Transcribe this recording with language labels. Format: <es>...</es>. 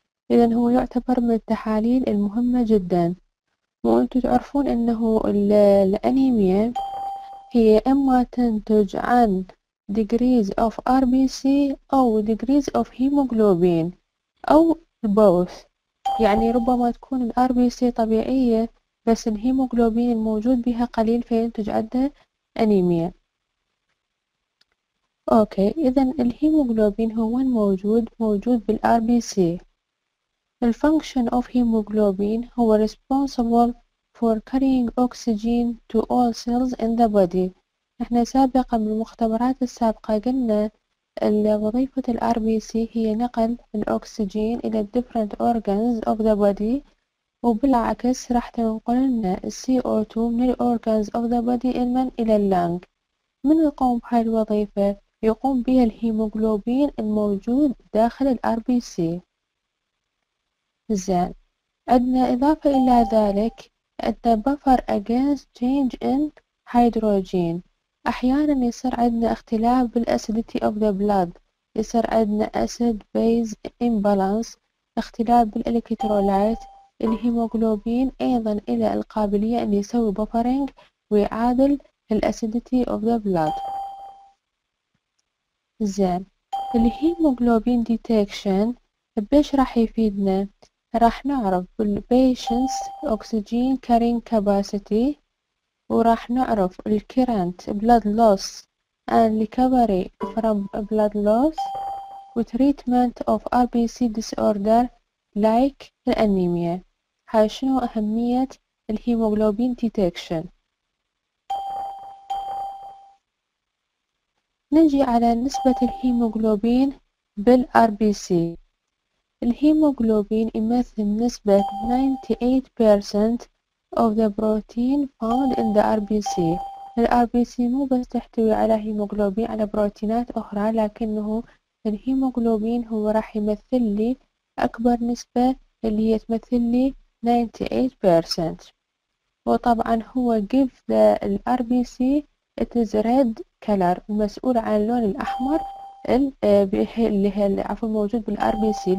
<ar>إذا هو يعتبر من التحاليل المهمة جدا. وأنتم تعرفون أنه الأنيميا هي إما تنتج عن</ar> <en>degrees of RBC</en> <ar>أو</ar> <en>degrees of hemoglobin</en> <ar>أو both، يعني ربما تكون ال RBC طبيعية بس الهيموغلوبين الموجود بها قليل فينتج عنده أنيميا. أوكي، إذا الهيموغلوبين هو وين موجود؟ موجود بال RBC.</ar> <en>The function of hemoglobin</en> <ar>هو</ar> <en>responsible for carrying oxygen to all cells in the body.</en> <ar>احنا سابقا من المختبرات السابقة قلنا وظيفة ال RBC هي نقل الأكسجين إلى</ar> <en>different organs of the body،</en> <ar>وبالعكس راح تنقل لنا ال CO2 من ال</ar> <en>organs of the body</en> <ar>المن إلى اللانج. من يقوم بهاي الوظيفة؟ يقوم بها الهيموغلوبين الموجود داخل ال RBC. زين، عندنا إضافة إلى ذلك أن</ar> <en>buffer against change in hydrogen.</en> <ar>أحيانا يصير عندنا اختلاف بال</ar> <en>acidity of the blood،</en> <ar>يصير عندنا</ar> <en>acid base imbalance،</en> <ar>اختلاف بالالكترولايت، الهيموغلوبين أيضا إلى القابلية أن يسوي buffering ويعادل ال acidity of the blood. زين، الهيموغلوبين detection بيش راح يفيدنا؟ راح نعرف بال</ar> <en>patient's oxygen carrying capacity،</en> <ar>وراح نعرف ال</ar> <en>current blood loss and recovery from blood loss</en> <ar>و</ar> <en>treatment of RBC disorder like</en> <ar>الأنيميا. هاي شنو أهمية الهيموغلوبين detection. نجي على نسبة الهيموغلوبين بال RBC. الهيموغلوبين يمثل نسبة</ar> <en>98% of the protein found in the RBC.</en> <ar>ال RBC مو بس تحتوي على هيموغلوبين، على بروتينات أخرى، لكنه الهيموغلوبين هو راح يمثل لي أكبر نسبة اللي هي تمثل لي 98%. وطبعا هو</ar> <en>give the RBC it is red color،</en> <ar>مسؤول عن اللون الأحمر اللي هي عفوا موجود بال RBC.</ar>